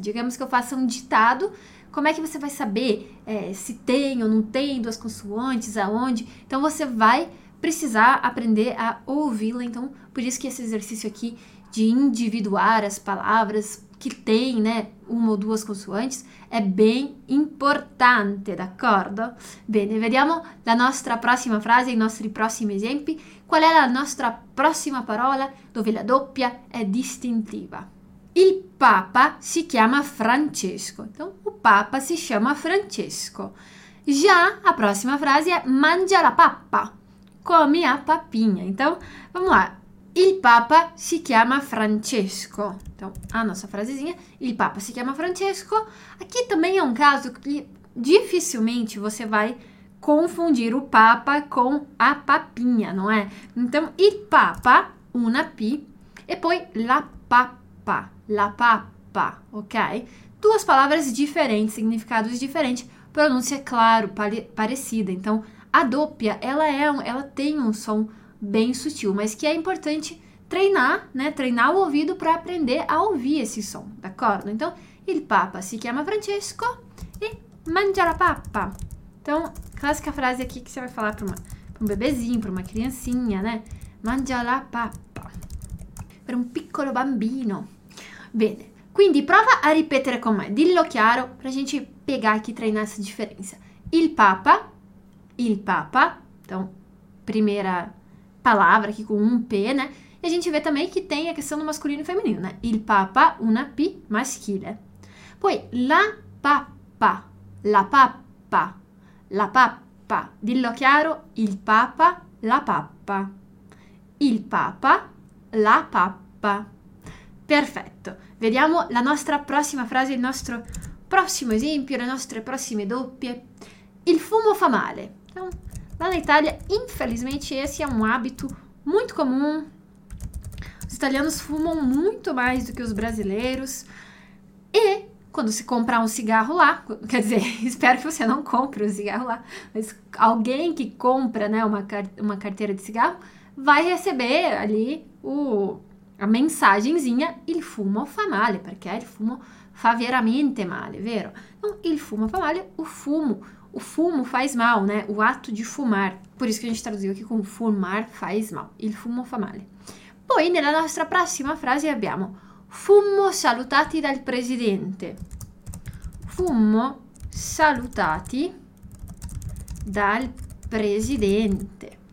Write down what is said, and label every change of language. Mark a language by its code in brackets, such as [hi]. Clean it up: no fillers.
[pt] Digamos que eu faça um ditado, como é que você vai saber se tem ou não tem duas consoantes, aonde? Então você vai precisar aprender a ouvi-la. Então, por isso que esse exercício aqui de individuar as palavras que tem, né, uma ou duas consoantes, é bem importante, d'accordo? [it] Bene, vediamo la nostra prossima frase, i nostri prossimi esempi. Qual è la nostra prossima parola dove la doppia è distintiva? Il Papa si chiama Francesco. Então, o Papa si chiama Francesco. Già, la prossima frase è mangia la pappa, [pt] come a papinha. Então, vamos lá. [it] Il Papa si chiama Francesco. [pt] Então, a nossa frasezinha, [it] il Papa si chiama Francesco. [pt] Aqui também é um caso que dificilmente você vai confundir o Papa com a papinha, não é? [it] Então, il Papa, una P, e poi la Papa, ok? [pt] Duas palavras diferentes, significados diferentes, pronúncia, claro, parecida. Então, a doppia, ela tem um som bem sutil, mas que é importante treinar, né? Treinar o ouvido para aprender a ouvir esse som, d'accordo? [it] Então, il Papa si chiama Francesco e mangia la pappa. [pt] Então, clássica frase aqui que você vai falar para um bebezinho, para uma criancinha, né? [it] Mangia la pappa. Per un piccolo bambino. Bene, quindi prova a ripetere con me, dillo chiaro, [pt] pra gente pegar aqui e treinar essa differenza. Il Papa, então, primeira palavra aqui com um P, né? E a gente vê também que tem a questão do masculino e feminino, né? [it] Il Papa, una P maschile. Poi, la pappa, dillo chiaro, il Papa, la pappa. Il Papa, la pappa. Perfetto. Vediamo la nostra prossima frase, il nostro prossimo esempio, le nostre prossime doppie. Il fumo fa male. [pt] Então, lá na Itália, infelizmente, esse é um hábito muito comum. Os italianos fumam muito mais do que os brasileiros. E quando se comprar um cigarro lá, quer dizer, espero que você não compre um cigarro lá, mas alguém que compra, né, uma carteira de cigarro, vai receber ali a mensagenzinha [it] il fumo fa male, perché il fumo fa veramente male, vero? [pt] Então, [it] il fumo fa male, [pt] o fumo faz mal, né? O ato de fumar. Por isso que a gente traduziu aqui com fumar faz mal. [it] Il fumo fa male. Poi, nella nostra prossima frase abbiamo fummo salutati dal presidente. Fummo salutati dal presidente.